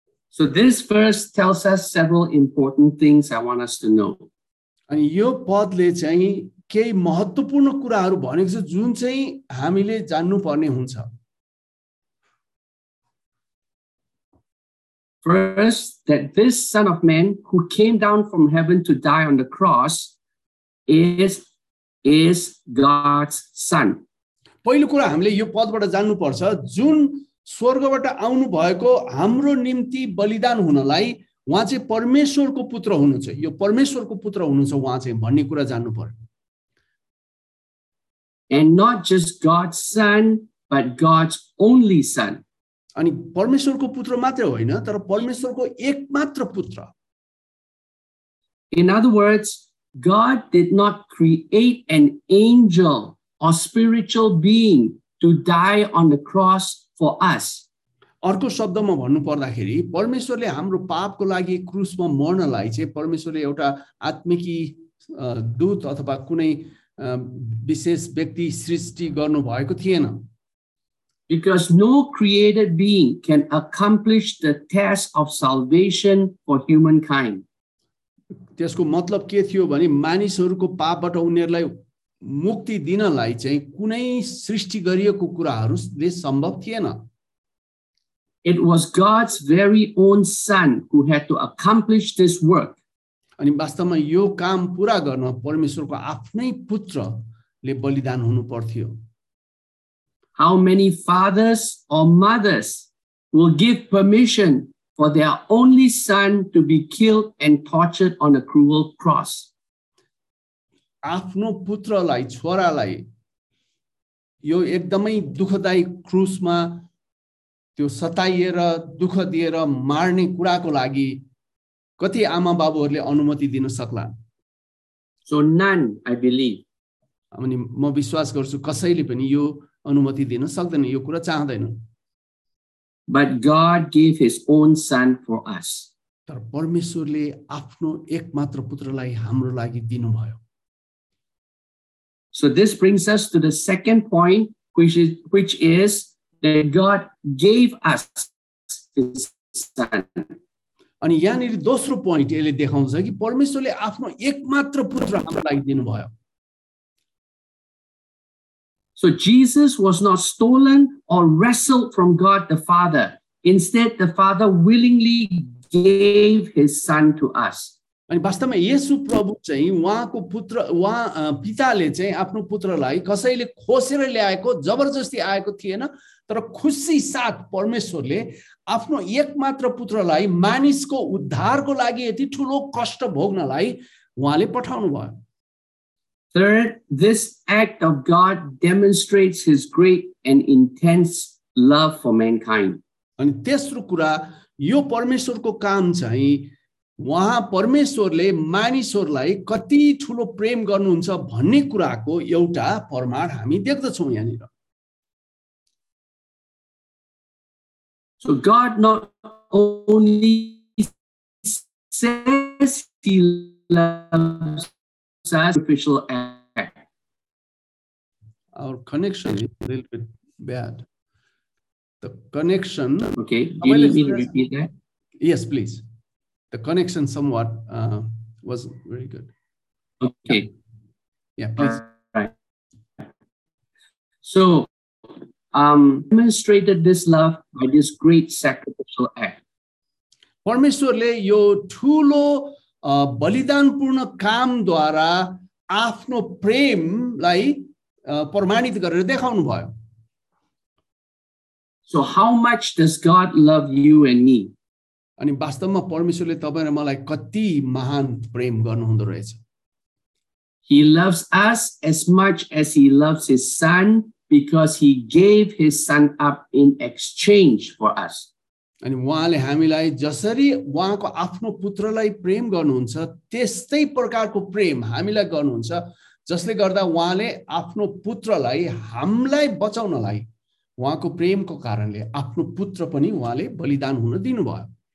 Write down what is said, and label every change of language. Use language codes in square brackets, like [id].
[en] So this verse tells us several important things I want us to know. [ne] अनि यो पदले चाहिँ केही महत्त्वपूर्ण कुराहरू भनेको छ जुन चाहिँ हामीले जान्नुपर्ने हुन्छ. [en] First, that this Son of Man who came down from heaven to die on the cross is God's Son. [ne] पहिलो कुरा हामीले यो पदबाट जान्नुपर्छ जुन स्वर्गबाट आउनु भएको हाम्रो निम्ति बलिदान हुनलाई उहाँ चाहिँ परमेश्वरको पुत्र हुनुहुन्छ यो परमेश्वरको पुत्र हुनुहुन्छ उहाँ चाहिँ भन्ने कुरा जान्नु पर्छ. [en] And not just God's son but God's only son. [ne] अनि परमेश्वरको पुत्र मात्रै होइन तर परमेश्वरको एकमात्र पुत्र. [en] In other words, God did not create an angel or spiritual being to die on the cross for us. [ne] अर्को शब्दमा भन्नु पर्दाखेरि परमेश्वरले हाम्रो पापको लागि क्रुसमा मर्नलाई चाहिँ परमेश्वरले एउटा आत्मिकी दूत अथवा कुनै विशेष व्यक्ति सृष्टि गर्नुभएको थिएन. [en] Because no created being can accomplish the task of salvation for humankind. [ne] त्यसको मतलब के थियो भने मानिसहरूको पापबाट उनीहरूलाई मुक्ति दिनलाई चाहिँ कुनै सृष्टि गरिएको कुराहरूले सम्भव थिएन. [en] It was God's very own son who had to accomplish this work. [ne] अनि वास्तवमा यो काम पूरा गर्न परमेश्वरको आफ्नै पुत्रले बलिदान हुनु पर्थ्यो. [en] How many fathers or mothers will give permission for their only son to be killed and tortured on a cruel cross? [ne] आफ्नो पुत्रलाई छोरालाई यो एकदमै दुःखदायी क्रुसमा त्यो सताइएर दुःख दिएर मार्ने कुराको लागि कति आमा बाबुहरूले अनुमति दिन सक्ला. [en] So none, I believe. [ne] अनि म विश्वास गर्छु कसैले पनि यो अनुमति दिन सक्दैन यो कुरा चाहँदैन. [en] But God gave his own son for us. [ne] तर परमेश्वरले आफ्नो एकमात्र पुत्रलाई हाम्रो लागि दिनुभयो. [en] So this brings us to the second point, which is that God gave us his son. [ne] अनि यहाँनिर दोस्रो पोइन्ट यसले देखाउँछ कि परमेश्वरले आफ्नो एकमात्र पुत्र हाम्रो लागि दिनुभयो. [en] So Jesus was not stolen or wrestled from God the Father. Instead, the Father willingly gave his son to us. [ne] अनि वास्तवमा येशु प्रभु चाहिँ उहाँको पुत्र उहाँ पिताले चाहिँ आफ्नो पुत्रलाई कसैले खोसेर ल्याएको जबरजस्ती आएको थिएन तर खुसी साथ परमेश्वरले आफ्नो एकमात्र पुत्रलाई मानिसको उद्धारको लागि यति ठुलो कष्ट भोग्नलाई उहाँले पठाउनु भयो. [en] Third, this act of God demonstrates his great and intense love for mankind. [ne] अनि तेस्रो कुरा यो परमेश्वरको काम चाहिँ उहाँ परमेश्वरले मानिसहरूलाई कति ठुलो प्रेम गर्नुहुन्छ भन्ने कुराको एउटा प्रमाण हामी देख्दछौँ यहाँनिर. [en] So God not only says he loves sacrificial act. Our connection is a little bit bad. The connection. Okay. Do you need me to repeat that? Yes, please. The connection somewhat wasn't very good. Okay. Yeah, please. Right. So demonstrated this love by this great sacrificial act. [ne] परमेश्वरले यो ठुलो बलिदानपूर्ण कामद्वारा आफ्नो प्रेमलाई प्रमाणित गरेर देखाउनु भयो. [en] So how much does God love you and me? [ne] अनि वास्तवमा परमेश्वरले तपाईँ र मलाई कति महान प्रेम गर्नुहुँदो रहेछ. [en] He loves us as much as he loves his son, because he gave his son up in exchange for us. [ne] अनि उहाँले हामीलाई जसरी उहाँको आफ्नो पुत्रलाई प्रेम गर्नुहुन्छ त्यस्तै प्रकारको प्रेम हामीलाई गर्नुहुन्छ, जसले गर्दा उहाँले आफ्नो पुत्रलाई हामीलाई बचाउनलाई उहाँको प्रेमको कारणले आफ्नो पुत्र पनि उहाँले बलिदान हुन दिनुभयो.